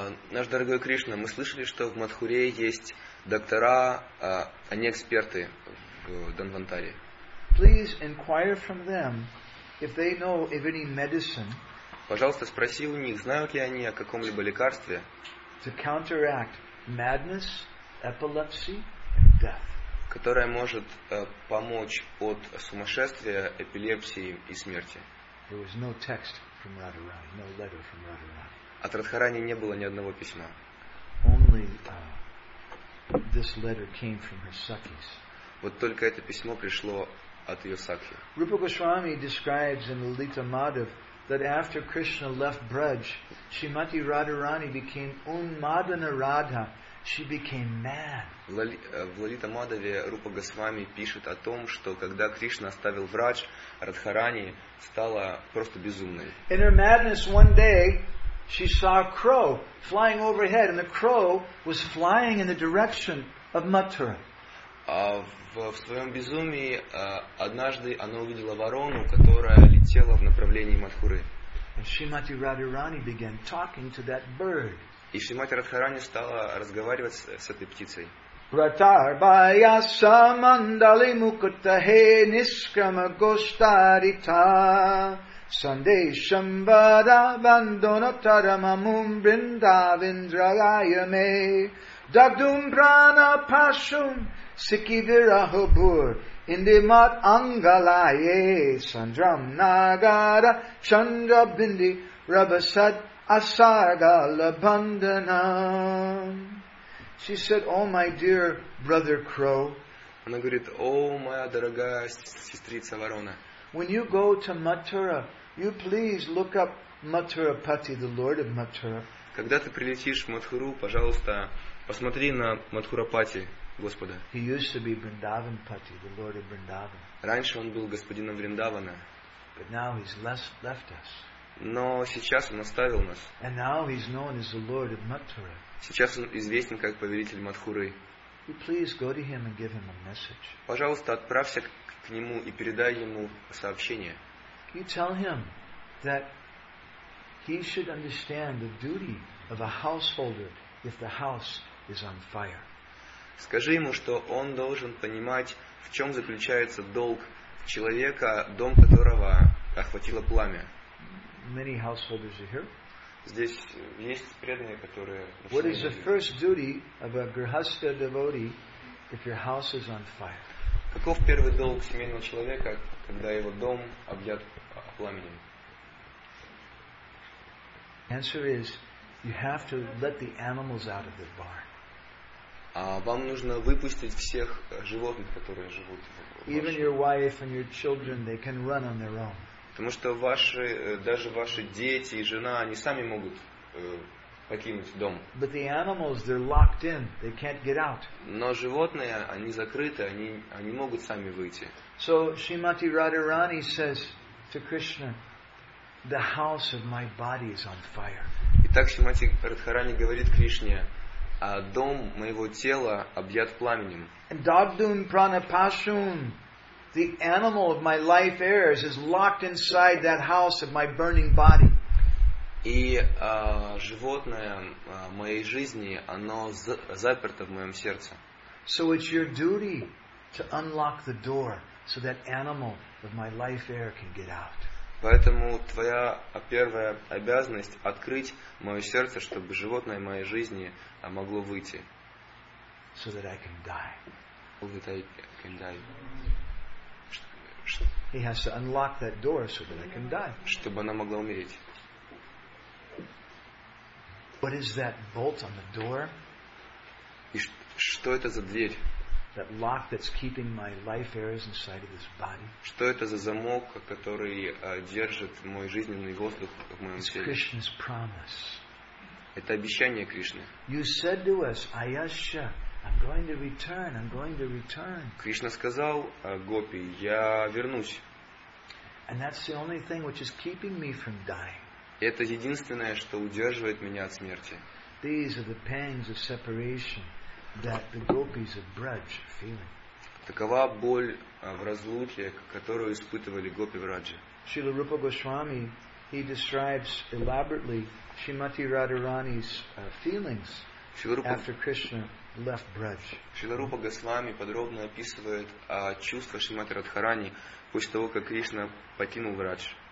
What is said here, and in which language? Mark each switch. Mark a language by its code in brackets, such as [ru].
[ru] Наш дорогой Кришна, мы слышали, что в Матхуре есть доктора, они эксперты в Дандантари. [en] Please inquire from them if they know of any medicine. [ru] Пожалуйста, спроси у них, знают ли они о каком-либо лекарстве. [en] To counteract madness, epilepsy, death. [ru] Которая может помочь от сумасшествия, эпилепсии и смерти. [en] There was no text from Radharani, no letter from Radharani. [ru] От Радхарани не было ни одного письма. [en] Only, this letter came from her sakhis. [ru] Вот только это письмо пришло от ее сакхи. [en] Rupa Goswami describes in Lalita Madhava that after Krishna left Braj, Srimati Radharani became Unmadana Radha. She became mad. [ru] В Лалита Мадаве Рупа Госвами пишет о том, что когда Кришна оставил врач, Радхарани стала просто безумной. [en] In her madness, one day she saw a crow flying overhead, and the crow was flying in the direction of Mathura. [ru] В своем безумии однажды она увидела ворону, которая летела в направлении Матхуры. [en] And Srimati Radharani began talking to that bird. [ru] И Шримати Радхарани стала разговаривать с этой птицей. [sa] Ратарбая самандали мукутахе нишкама гоштарита сандешам вада вандонатарамамум бриндавиндрагайаме дадум брана пашум сикивирахубур индимат ангалайе сандрам нагара чандрабинди рабасад Asarga labandanam. [en] She said, "Oh, my dear brother crow." [ru] Она говорит, о, моя дорогая сестрица ворона. [en] When you go to Mathura, you please look up Mathurapati, the lord of Mathura, [ru] когда ты прилетишь в Матхуру, пожалуйста, посмотри на Матхурапати Господа. [en] He used to be Vrindavan Pati, the Lord of Vrindavan. [ru] Раньше он был господином Вриндавана. [en] But now he's left us. [ru] Но сейчас он оставил нас. [en] And now he's known as the Lord of Mathura. [ru] Сейчас он известен как повелитель Матхуры. [en] Please go to him and give him a message. [ru] Пожалуйста, отправься к нему и передай ему сообщение. [en] You tell him that he should understand the duty of a householder if the house is on fire. [ru] Скажи ему, что он должен понимать, в чем заключается долг человека, дом которого охватило пламя. [en] Many householders are here. [ru] Здесь есть преданные, которые. [en] What is the first duty of a grihastha devotee if your house is on fire? [ru] Каков первый долг семейного человека, когда его дом объят пламенем? [en] Answer is, you have to let the animals out of the barn. [ru] А вам нужно выпустить всех животных, которые живут в вашем. [en] Even your wife and your children, they can run on their own. [ru] Потому что ваши, даже ваши дети и жена, они сами могут покинуть дом. [en] But the animals, they're locked in. They can't get out. [ru] Но животные, они закрыты, они могут сами выйти. [en] So Shrimati Radharani says to Krishna, the house of my body is on fire. [ru] Итак, Шримати Радхарани говорит Кришне, а дом моего тела объят пламенем. [en] And Dagdun Pranapashun, the animal of my life airs is locked inside that house of my burning body. [ru] И животное моей жизни, оно заперто в моем сердце. [en] So it's your duty to unlock the door so that animal of my life air can get out. [ru] Поэтому твоя первая обязанность — открыть мое сердце, чтобы животное моей жизни могло выйти. [en] So that I can die. So that I can die. He has to unlock that door so that I can die. [ru] Чтобы она могла умереть. [en] What is that bolt on the door? [ru] И что это за дверь? [en] That lock that's keeping my life airs inside of this body. [ru] Что это за замок, который держит мой жизненный воздух в моем теле? [en] It's Krishna's promise. [ru] Это обещание Кришны. [en] You said to us, Ayasha, I'm going to return. I'm going to return. [ru] Кришна сказал Гопи, я вернусь. [en] And that's the only thing which is keeping me from dying. [ru] Это единственное, что удерживает меня от смерти. [en] These are the pangs of separation that the gopis of Braj are feeling. [ru] Такова боль в разлуке, которую испытывали гопи в Радже. [en] Srila Rupa Goswami, he describes elaborately Srimati Radharani's feelings after Krishna left Braj. [ru] Srila Rupa Goswami подробно описывает чувства Шримати Радхарани после того, как Кришна покинул Врадж.